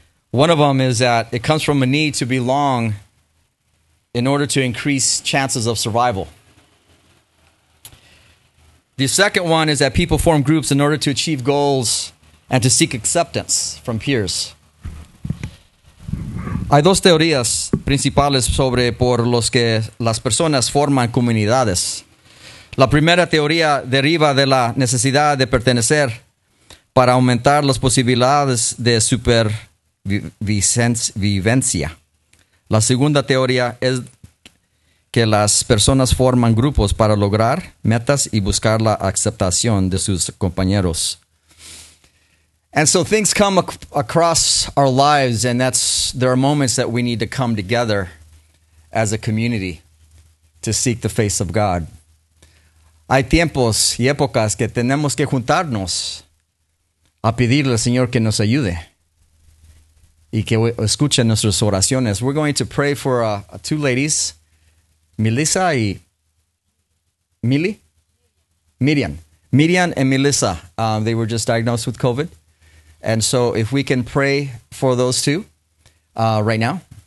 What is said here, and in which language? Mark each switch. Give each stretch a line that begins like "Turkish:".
English: One of them is that it comes from a need to belong in order to increase chances of survival. The second one is that people form groups in order to achieve goals and to seek acceptance from peers.
Spanish: Hay dos teorías principales sobre por los que las personas forman comunidades. La primera teoría deriva de la necesidad de pertenecer para aumentar las posibilidades de supervivencia. La segunda teoría es que las personas forman grupos para lograr metas y buscar la aceptación de sus compañeros.
English: And so things come across our lives, and there are moments that we need to come together as a community to seek the face of God.
Spanish: Hay tiempos y épocas que tenemos que juntarnos a pedirle al Señor que nos ayude y que escuche nuestras oraciones.
English: We're going to pray for two ladies, Melissa y Miriam. Miriam and Melissa, they were just diagnosed with COVID. And so if we can pray for those two right now.